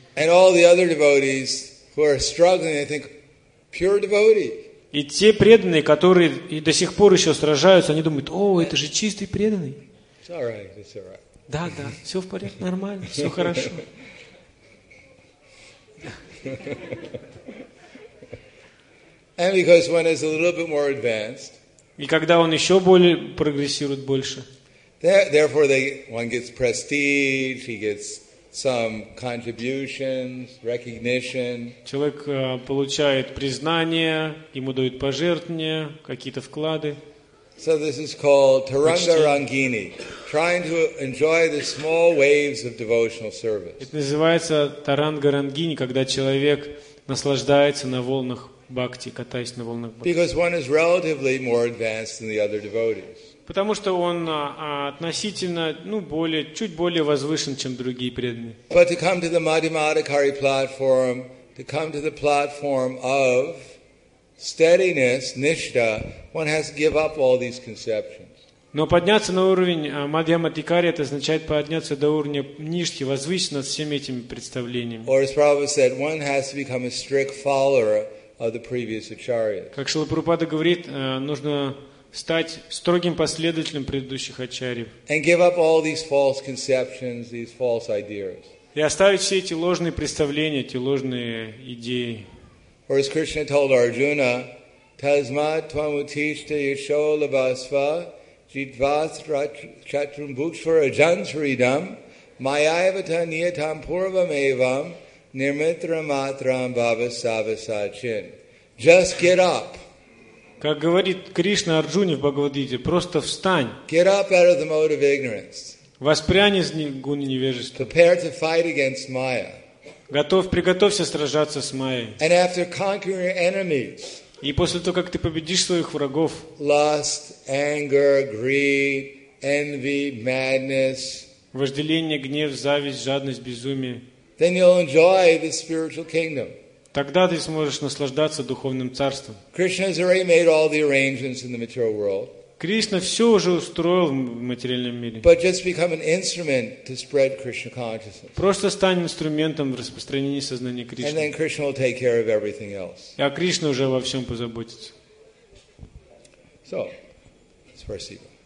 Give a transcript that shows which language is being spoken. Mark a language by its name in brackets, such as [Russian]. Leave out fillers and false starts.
[English] And all the other devotees who are struggling, I think pure devotee. [Russian] И те преданные, которые и до сих пор ещё сражаются, они думают: "О, это же чистый преданный". [English] It's all right, it's all right. [Russian] Да, да, все в порядке, нормально, все хорошо. [English] And because one is a little bit more advanced, [Russian] и когда он еще более прогрессирует больше, [English] therefore they one gets prestige, he gets some contributions, recognition. [Russian] Человек получает признание, ему дают пожертвования, какие-то вклады. [English] So this is called Taranga Rangini, trying to enjoy the small waves of devotional service. [Russian] Это называется Таранга Рангини, когда человек наслаждается на волнах бхакти, катаясь на волнах бхакти. [English] Because one is relatively more advanced than the other devotees. [Russian] Потому что он относительно, ну, более, чуть более возвышен, чем другие преданные. [English] But to come to the Madhyamadhikari platform, to come to the platform of steadiness, nishtha, one has to give up all these conceptions. [Russian] Но подняться на уровень Мадхьямадхикари, это означает подняться до уровня ништхи, возвыситься над всеми этими представлениями. [English] Or as Prabhupada said, one has to become a strict follower of the previous acharyas. [Russian] Как Шрила Прабхупада говорит, нужно стать строгим последователем предыдущих ачарьев. [English] And give up all these false conceptions, these false ideas. [Russian] И оставить все эти ложные представления, эти ложные идеи. [Sanskrit] Or as Krishna told Arjuna, Tasmat Tvamutishta Yashola Vasva Jidvasra Chatrumbukshvara Jansridam Mayavata Niyatam Purvam Evam Nirmitra Matram Bhavasavasachin. [English] Just get up. [Russian] Как говорит Кришна Арджуне в Бхагавад-гите, просто встань. [English] Get up out of the mode of ignorance. [Russian] Воспрянь из гуны невежества. [English] Prepare to fight against Maya. [Russian] Приготовься сражаться с Майей. [English] And after conquering your enemies. [Russian] И после того, как ты победишь своих врагов. [English] Lust, anger, greed, envy, madness. [Russian] Вожделение, гнев, зависть, жадность, безумие. [English] Then you'll enjoy the spiritual kingdom. [Russian] Тогда ты сможешь наслаждаться духовным царством. [English] Krishna has already made all the arrangements in the material world. [Russian] Кришна все уже устроил в материальном мире. [English] But just become an instrument to spread Krishna consciousness. [Russian] Просто стань инструментом в распространении сознания Кришны. [English] And then Krishna will take care of everything else. [Russian] А Кришна уже во всем позаботится. So, спасибо.